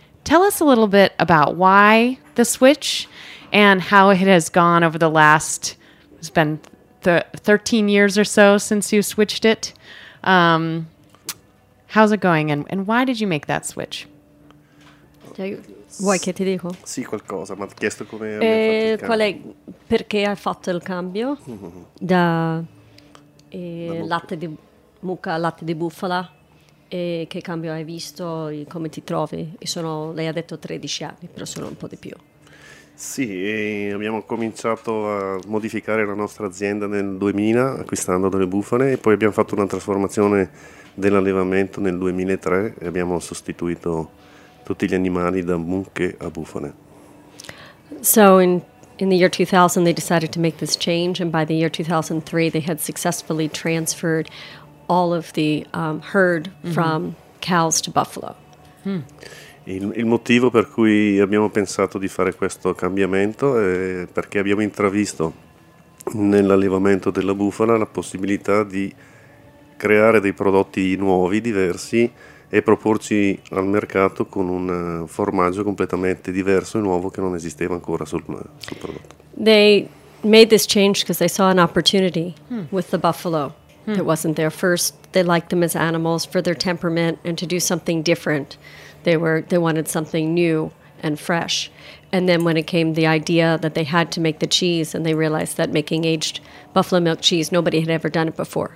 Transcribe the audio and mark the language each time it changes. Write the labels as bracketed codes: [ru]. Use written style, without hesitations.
[en] Tell us a little bit about why the switch and how it has gone over the last, it's been 13 years or so since you switched it. How's it going, and why did you make that switch? [it] Vuoi che ti dico? Sì, qualcosa, ma ti ho chiesto come hai fatto il cambio. Perché hai fatto il cambio da, da latte di mucca a latte di bufala? E che cambio hai visto? E come ti trovi? Sono, lei ha detto 13 anni, però sono un po' di più. Sì, abbiamo cominciato a modificare la nostra azienda nel 2000 acquistando delle bufale e poi abbiamo fatto una trasformazione dell'allevamento nel 2003 e abbiamo sostituito tutti gli animali da mucche a bufale. [en] So in the year 2000 they decided to make this change and by the year 2003 they had successfully transferred all of the herd from cows to buffalo. [it] Il motivo per cui abbiamo pensato di fare questo cambiamento è perché abbiamo intravisto nell'allevamento della bufala la possibilità di creare dei prodotti nuovi, diversi e proporci al mercato con un formaggio completamente diverso e nuovo che non esisteva ancora sul prodotto. [en] They made this change because they saw an opportunity with the buffalo. It wasn't there first. They liked them as animals for their temperament and to do something different. They wanted something new and fresh. And then when it came the idea that they had to make the cheese and they realized that making aged buffalo milk cheese, nobody had ever done it before.